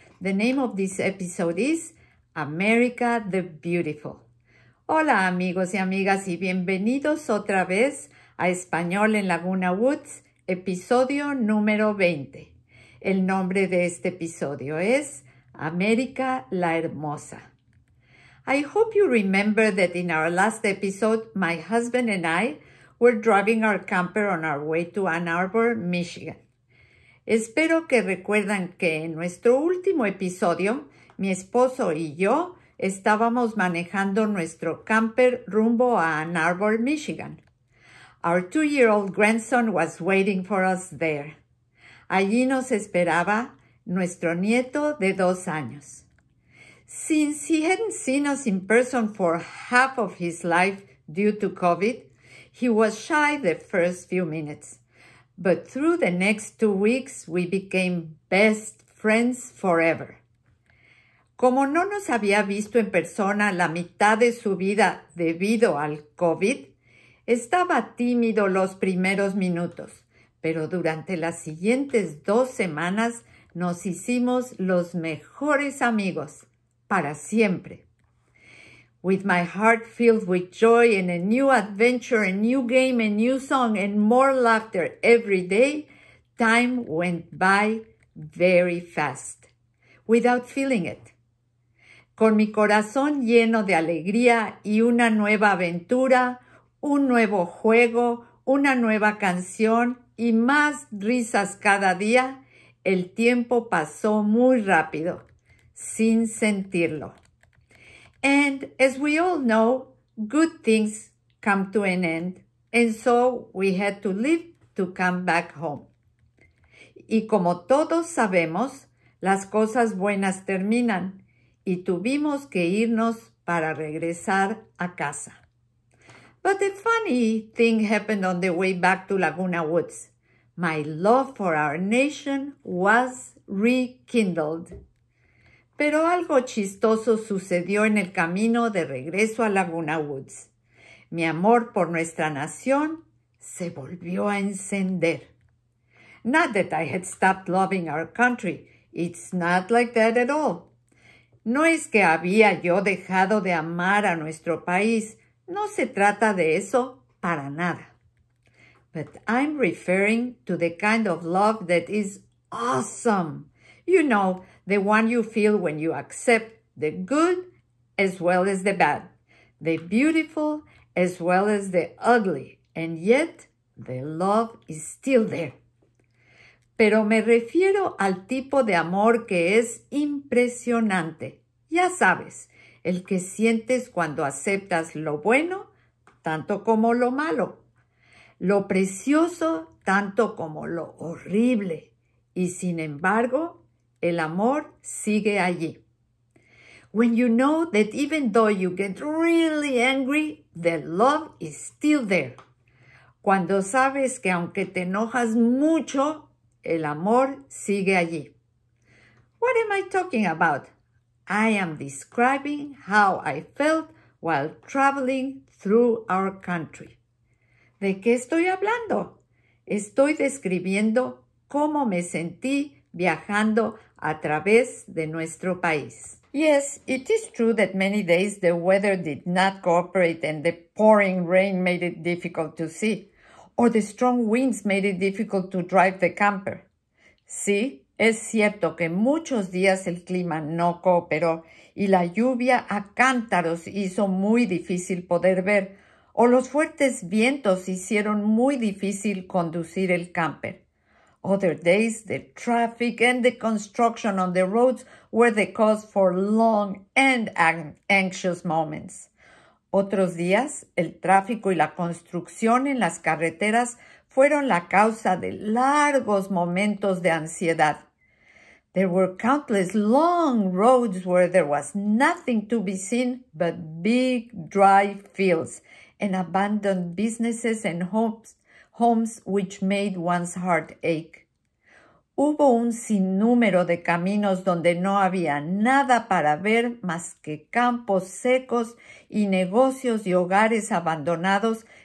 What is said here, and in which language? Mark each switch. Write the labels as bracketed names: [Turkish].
[English] The name of this episode is America the Beautiful. [Spanish] Hola, amigos y amigas, y bienvenidos otra vez a Espanol en Laguna Woods, episodio número 20. El nombre de este episodio es América la Hermosa. [English] I hope you remember that in our last episode, my husband and I were driving our camper on our way to Ann Arbor, Michigan. [Spanish] Espero que recuerdan que en nuestro último episodio, mi esposo y yo estábamos manejando nuestro camper rumbo a Ann Arbor, Michigan. [English] Our two-year-old grandson was waiting for us there. [Spanish] Allí nos esperaba nuestro nieto de 2 años. [English] Since he hadn't seen us in person for half of his life due to COVID, he was shy the first few minutes. But through the next 2 weeks, we became best friends forever. [Spanish] Como no nos había visto en persona la mitad de su vida debido al COVID, estaba tímido los primeros minutos, pero durante las siguientes 2 semanas nos hicimos los mejores amigos. Para siempre. [English] With my heart filled with joy and a new adventure, a new game, a new song, and more laughter every day, time went by very fast, without feeling it. [Spanish] Con mi corazón lleno de alegría y una nueva aventura, un nuevo juego, una nueva canción y más risas cada día, el tiempo pasó muy rápido. Sin sentirlo. [English] And as we all know, good things come to an end, and so we had to leave to come back home. [Spanish] Y como todos sabemos, las cosas buenas terminan, y tuvimos que irnos para regresar a casa. [English] But a funny thing happened on the way back to Laguna Woods. My love for our nation was rekindled. [Spanish] Pero algo chistoso sucedió en el camino de regreso a Laguna Woods. Mi amor por nuestra nación se volvió a encender. [English] Not that I had stopped loving our country. It's not like that at all. [Spanish] No es que había yo dejado de amar a nuestro país. No se trata de eso para nada. [English] But I'm referring to the kind of love that is awesome. You know, the one you feel when you accept the good as well as the bad, the beautiful as well as the ugly, and yet the love is still there. [Spanish] Pero me refiero al tipo de amor que es impresionante. Ya sabes, el que sientes cuando aceptas lo bueno, tanto como lo malo, lo precioso, tanto como lo horrible, y sin embargo, el amor sigue allí. [English] When you know that even though you get really angry, the love is still there. [Spanish] Cuando sabes que aunque te enojas mucho, el amor sigue allí. [English] What am I talking about? I am describing how I felt while traveling through our country. [Spanish] ¿De qué estoy hablando? Estoy describiendo cómo me sentí viajando a través de nuestro país. [English] Yes, it is true that many days the weather did not cooperate and the pouring rain made it difficult to see, or the strong winds made it difficult to drive the camper. [Spanish] Sí, es cierto que muchos días el clima no cooperó y la lluvia a cántaros hizo muy difícil poder ver, o los fuertes vientos hicieron muy difícil conducir el camper. [English] Other days, the traffic and the construction on the roads were the cause for long and anxious moments. [Spanish] Otros días, el tráfico y la construcción en las carreteras fueron la causa de largos momentos de ansiedad. [English] There were countless long roads where there was nothing to be seen but big dry fields and abandoned businesses and homes which made one's heart ache. [Spanish] Hubo un sinnúmero de caminos donde no había nada para ver más que campos secos y negocios y hogares abandonados